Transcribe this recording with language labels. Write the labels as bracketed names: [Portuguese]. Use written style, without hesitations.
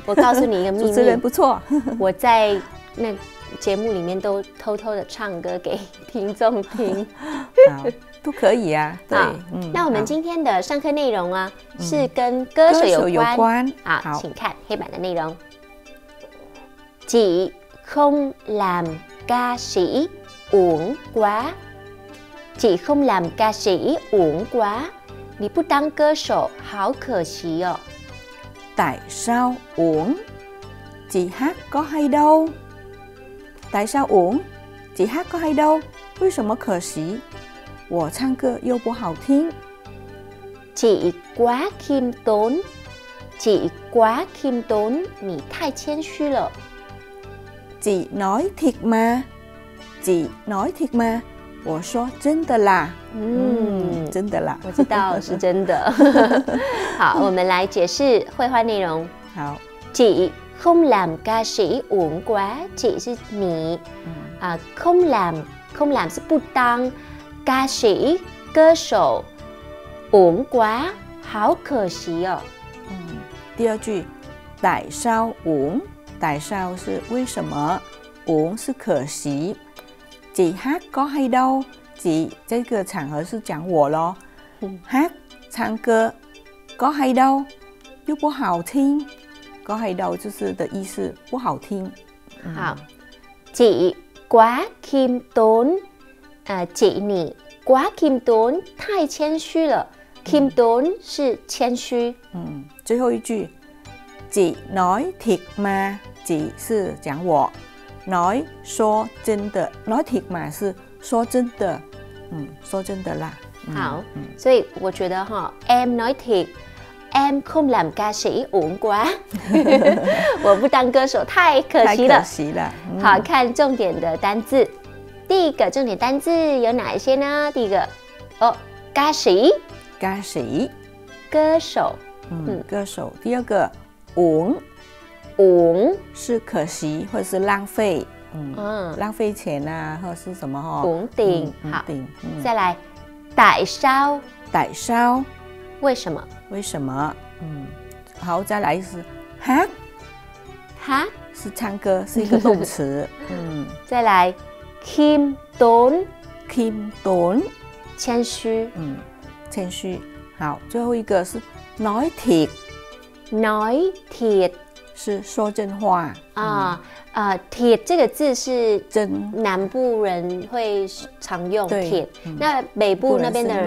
[Chinese] 我告诉你一个秘密，主持人不错。我在那节目里面都偷偷的唱歌给听众听。都可以啊。对，那我们今天的上课内容是跟歌手有关。好，请看黑板的内容。几空蓝 [Vietnamese] ca sĩ uổng quá. Chị không làm ca sĩ uổng quá. [Chinese] 你不当歌手好可惜哦。 [Vietnamese] Tại sao uổng? Chị hát có hay đâu? Tại sao uổng? Chị hát có hay đâu? [Chinese] 为什么可惜?我唱歌又不好听。 [Vietnamese] Chị quá khiêm tốn. Chị quá khiêm tốn. [Chinese] 你太谦虚了。 [Vietnamese] Chị nói thiệt mà. Chị nói thiệt mà. [Chinese] 我说真的啦。真的啦。我知道是真的。好，我们来解释绘画内容。好。 [Vietnamese] Chị không làm ca sĩ uổng quá. Chị [Chinese] 是你。 [Vietnamese] Không làm, không làm [Chinese] 是不当。 [Vietnamese] ca sĩ, 歌手。 [Chinese] uổng quá, 好可惜哦。第二句。 [Vietnamese] Tại sao uổng? [Chinese] Tại sao 是为什么， uổng 是可惜。 [Vietnamese] Chị hát có hay đâu? [Chinese] Chị 这个场合是讲我咯。 [Vietnamese] Hát [Chinese] 唱歌， [Vietnamese] có hay đâu? [Chinese] 又不好听。 có hay đâu 就是的意思，不好听。 [Vietnamese] Chị quá khiêm tốn. Chị 你 quá khiêm tốn, [Chinese] 太谦虚了。 Khiêm tốn 是谦虚。最后一句。 [Vietnamese] Chị nói thiệt mà, chị [Chinese] 是讲我。 Nói, 说真的, nói thiệt mà 是说真的。说真的啦。好，所以我觉得 [Vietnamese] em nói thiệt, em không làm ca sĩ uổng quá. [Chinese] 我不当歌手太可惜了。太可惜了。好，看重点的单字。第一个重点单字有哪一些呢？第一个，ca sĩ。 [Vietnamese] ca sĩ。 [Chinese] 歌手。歌手。第二个。uổng, [Vietnamese] uổng [Chinese] 是可惜或者是浪费，浪费钱啊，或者是什么 [Vietnamese] uổng tiền, 好，再来，tại sao, tại sao, [Chinese] 为什么，为什么，好，再来是hát, [Vietnamese] hát [Chinese] 是唱歌，是一个动词，再来khiêm tốn, [Vietnamese] khiêm tốn, [Chinese] 谦虚，谦虚，好，最后一个是nói thiệt。 [Vietnamese] Nói thiệt [Chinese] 是说真话。 Thiệt 这个字是真，南部人会常用thiệt。那北部那边的人